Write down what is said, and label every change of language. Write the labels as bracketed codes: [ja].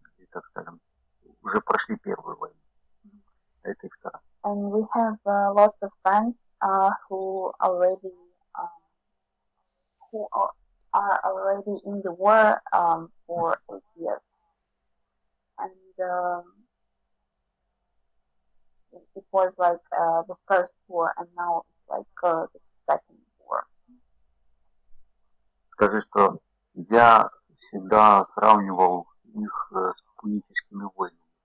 [ru] так скажем, уже прошли первую войну. Это и вторая. [en] And we have lots of friends who are already in the war for 8 years. And it was like the first war, and now it's like the second war. [ru] Скажи, что я всегда сравнивал их с пуническими войнами.